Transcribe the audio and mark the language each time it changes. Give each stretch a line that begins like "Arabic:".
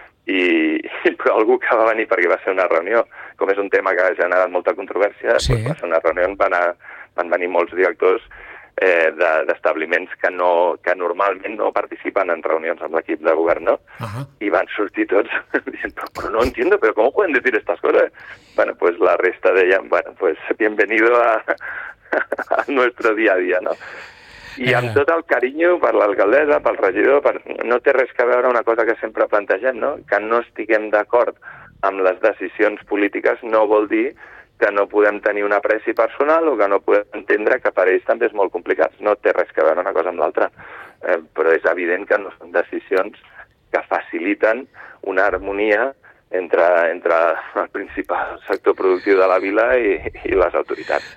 Catalan: I però algú que va venir, perquè va ser una reunió, com és un tema que ha generat molta controvèrsia, sí. Va ser una reunió on van venir molts directors d'establiments que normalment no participen en reunions amb l'equip de govern, no? Uh-huh. I van sortir tots dient, però
Spanish: no entiendo,
Catalan: però
Spanish: com pueden decir estas cosas? Bueno, pues
Catalan: la resta deien,
Spanish: bueno, pues bienvenido a nuestro día a día, no?
Catalan: I amb tot el carinyo per l'alcaldessa, pel regidor, no té res que veure una cosa que sempre plantegem, no? Que no estiguem d'acord amb les decisions polítiques no vol dir que no podem tenir un apreci personal o que no podem entendre que per ells també és molt complicat. No té res que veure una cosa amb l'altra. Però és evident que no són decisions que faciliten una harmonia entre el principal sector productiu de la vila i les autoritats.